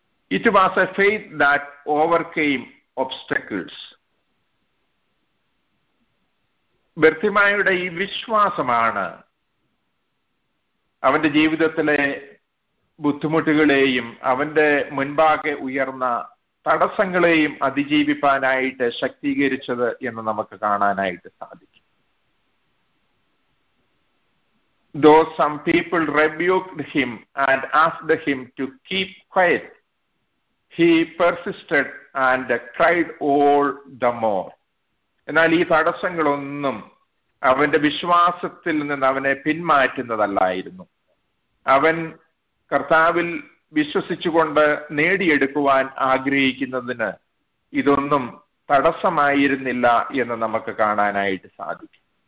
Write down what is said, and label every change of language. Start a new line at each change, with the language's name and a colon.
English: It was a faith that overcame obstacles.
Malayalam: ബർത്തിമായുടെ ഈ വിശ്വാസമാണ് അവന്റെ ജീവിതത്തിലെ ബുദ്ധിമുട്ടുകളെയും അവന്റെ മുൻപാകെ ഉയർന്ന തടസ്സങ്ങളെയും അതിജീവിപ്പാനായിട്ട് ശക്തീകരിച്ചത് എന്ന് നമുക്ക് കാണാനായിട്ട് സാധിക്കും.
English: Though some people rebuked him and asked him to keep quiet, he persisted and cried all the more.
Malayalam: എന്നാൽ ഈ തടസ്സങ്ങളൊന്നും അവന്റെ വിശ്വാസത്തിൽ നിന്ന് അവനെ പിന്മാറ്റുന്നതല്ലായിരുന്നു. അവൻ കർത്താവിൽ വിശ്വസിച്ചുകൊണ്ട് നേടിയെടുക്കുവാൻ ആഗ്രഹിക്കുന്നതിന് ഇതൊന്നും തടസ്സമായിരുന്നില്ല എന്ന് നമുക്ക് കാണാനായിട്ട് സാധിക്കും.